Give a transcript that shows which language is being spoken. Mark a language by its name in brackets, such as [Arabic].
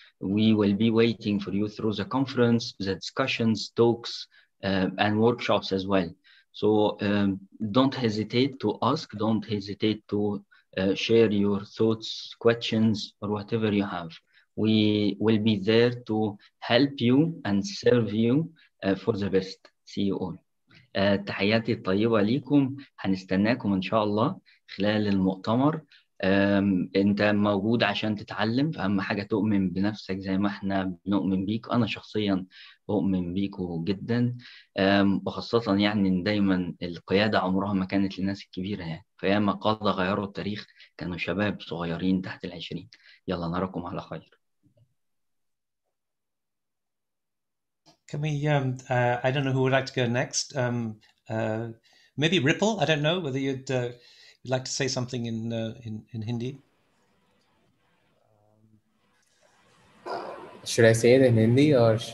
[English] We will be waiting for you through the conference, the discussions, talks, and workshops as well. So don't hesitate to ask, don't hesitate to share your thoughts, questions, or whatever you have. We will be there to help you and serve you for the best. See you all. [Arabic] تحياتي الطيبة ليكم هنستناكم إن شاء الله خلال المؤتمر أنت موجود عشان تتعلم فأهم حاجة تؤمن بنفسك زي ما احنا بنؤمن بيك أنا شخصيا أؤمن بيك جدا وخاصة يعني دايما القيادة عمرها ما كانت للناس الكبيرة يعني فياما قادة غيروا التاريخ كانوا شباب صغيرين تحت العشرين يلا نراكم على خير [English] Can we, I don't know who would like to go next. Maybe Ripple, I don't know whether you'd like to say something in Hindi. Should I say it in Hindi or